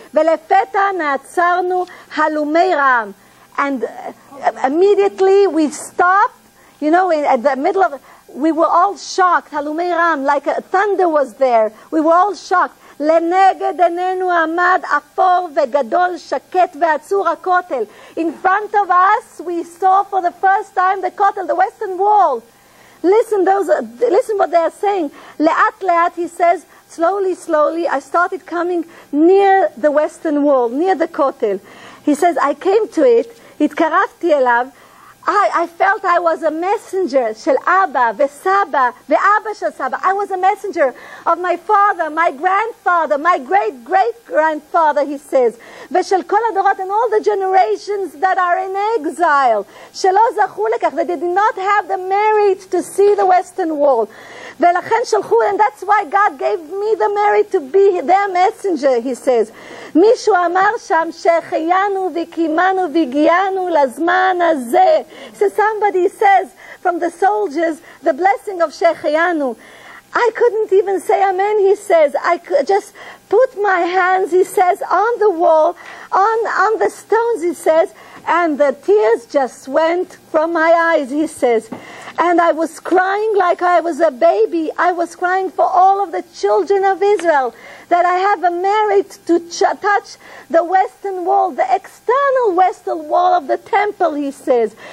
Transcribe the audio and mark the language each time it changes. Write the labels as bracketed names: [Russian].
[Hebrew] Velefeta na'atzarnu halumei ram. [English] And immediately we stopped, you know, at the middle of, we were all shocked. [Hebrew] Halumei ram, [English] like a thunder was there. We were all shocked. [Hebrew] לנגד עינינו עמד אפור וגדול שקט ועצור הכותל. [English] In front of us, we saw for the first time the kotel, the western wall. Listen what they are saying. [Hebrew] לאט לאט, [English] he says, slowly, slowly, I started coming near the western wall, near the kotel. He says, I came to it, [Hebrew] התקרבתי אליו, [English] I felt I was a messenger [Hebrew] של אבא וסבא ואבא של סבא. [English] I was a messenger of my father, my grandfather, my great-great-grandfather, he says. [Hebrew] ושל כל הדורות [English] and all the generations that are in exile. [Hebrew] שלא זכו לכך. [English] They did not have the merit to see the Western Wall. [Hebrew] ולכן שלחו, [English] and that's why God gave me the merit to be their messenger, he says. [Hebrew] מישהו אמר שם שחיינו וקימנו והגיענו לזמן הזה. [English] So somebody says from the soldiers, the blessing of Shechayanu. I couldn't even say amen, he says. I could just put my hands, he says, on the wall, on the stones, he says, and the tears just went from my eyes, he says. And I was crying like I was a baby. I was crying for all of the children of Israel, that I have a merit to touch the western wall, the external western wall of the temple, he says.